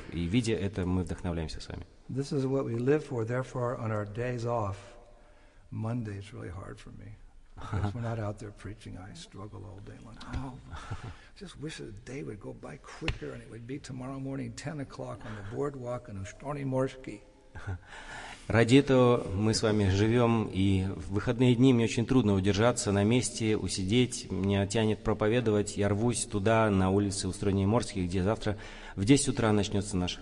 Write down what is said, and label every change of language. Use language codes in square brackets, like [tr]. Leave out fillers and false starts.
[ru] И видя это, мы вдохновляемся с вами. [en] This is what we live for, therefore on our days off, Monday is really hard for me. Because we're not out there preaching, I struggle all day long. Oh, I just wish the day would go by quicker and it would be tomorrow morning 10 o'clock on the boardwalk in Ustroni-Morsky. [ru] Ради этого мы с вами живем, и в выходные дни мне очень трудно удержаться на месте, усидеть, меня тянет проповедовать, я рвусь туда, на улице Устроени-Морске, где завтра в 10 утра начнется наша